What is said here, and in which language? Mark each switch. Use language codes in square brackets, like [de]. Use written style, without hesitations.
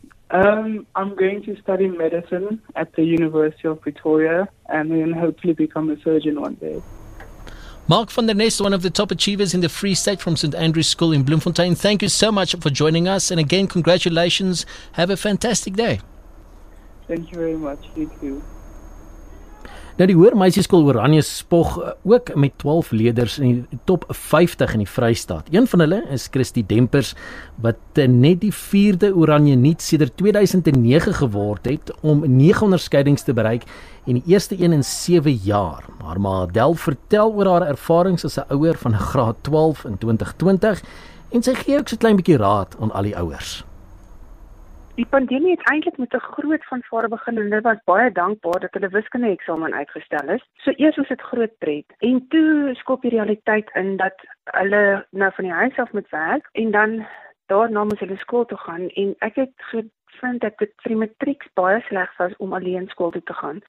[en] I'm going to study medicine at the University of Pretoria and then hopefully become a surgeon one day. Mark van der Nest, one of the top achievers in the Free State from St. Andrew's School in Bloemfontein, thank you so much for joining us. And again, congratulations. Have a fantastic day. Thank you very much. You too. [af] Nou, die Hoër Meisieskool Oranje spog ook met 12 leerders in die top 50 in die Vrystaat. Een van hulle is Christy Dempers, wat net die 4de Oranje Nuut sedert 2009 geword het om 9 onderskeidings te bereik en die eerste een in 7 jaar. Maar Adel vertel oor haar ervarings as 'n ouer van graad 12 in 2020 en sy gee ook so 'n klein bietjie raad aan al die ouers. Die pandemie het eintlik met 'n groot fanfare begin en hulle was baie dankbaar dat hulle wiskunde eksamen uitgestel is. So eers was dit groot pret en toe skop die realiteit in dat hulle nou van die huis af moet werk en dan daarna moet hulle skool toe gaan en ek het gevind dat dit vir die matriek baie sleg was om alleen skool toe te gaan.